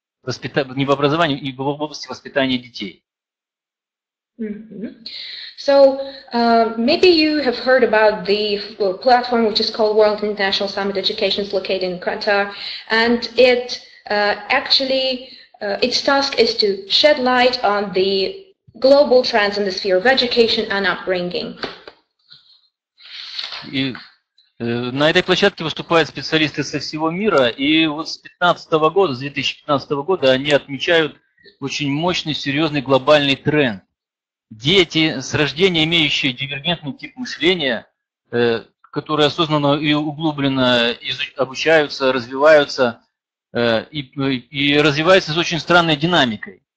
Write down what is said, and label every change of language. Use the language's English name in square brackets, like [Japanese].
[Russian] Не в образовании, и в области воспитания детей. [English] So, maybe you have heard about the platform which is called World International Summit Education, located in Qatar, and it actually, its task is to shed light on the global trends in the sphere of education and upbringing. [Russian] На этой площадке выступают специалисты со всего мира, и вот с 2015 года они отмечают очень мощный, серьезный глобальный тренд. Дети, с рождения имеющие дивергентный тип мышления, которые осознанно и углубленно обучаются, развиваются, и развиваются с очень странной динамикой.